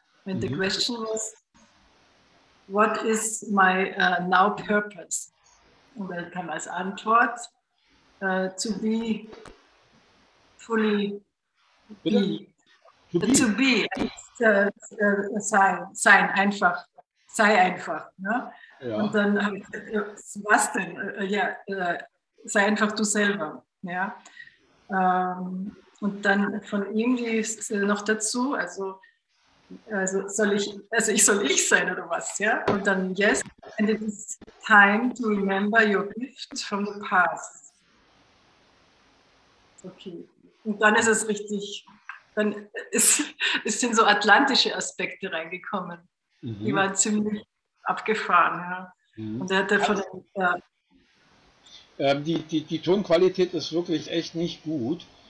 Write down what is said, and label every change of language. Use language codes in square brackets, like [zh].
[en] And the question was, what is my now purpose? [de] Und dann kam als Antwort, [en] to be fully [de] Bitte? [en] be. To be. To be, [de] sein, einfach, sei einfach. Ne? Und Ja. dann habe ich gesagt, was denn? Sei einfach du selber. Ja, und dann von ihm noch dazu, also soll ich, also ich soll ich sein oder was, ja? Und dann, [en] yes, and it is time to remember your gift from the past. [de] Okay, und dann ist es richtig, dann ist sind so atlantische Aspekte reingekommen, die waren ziemlich abgefahren, ja? Und er hat davon. Die Tonqualität ist wirklich echt nicht gut.